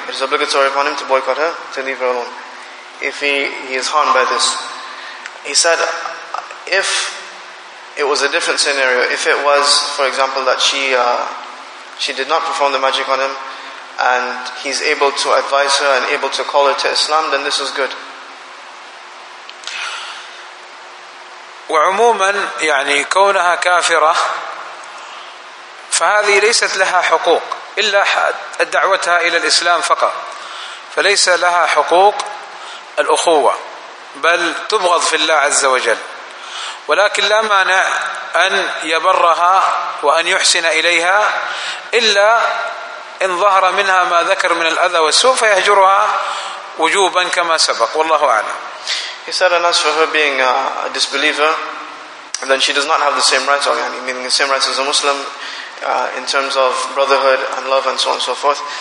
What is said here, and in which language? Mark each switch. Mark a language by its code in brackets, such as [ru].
[en] It is obligatory upon him to boycott her, to leave her alone if he is harmed by this. He said if it was a different scenario, if it was, for example, that she did not perform the magic on him and he's able to advise her and able to call her to Islam, then this is good. [ar] وعموما يعني كونها كافرة فهذه ليست لها حقوق إلا دعوتها إلى الإسلام فقط، فليس لها حقوق الأخوة، بل تبغض في الله عز وجل، ولكن لا مانع أن يبرها وأن يحسن إليها، إلا إن ظهر منها ما ذكر من الأذى والسوء فيهجرها وجوبا كما سبق، والله أعلم. [en] He said, and as for her being a disbeliever, then she does not have the same rights, or meaning the same rights as a Muslim, in terms of brotherhood and love and so on and so forth.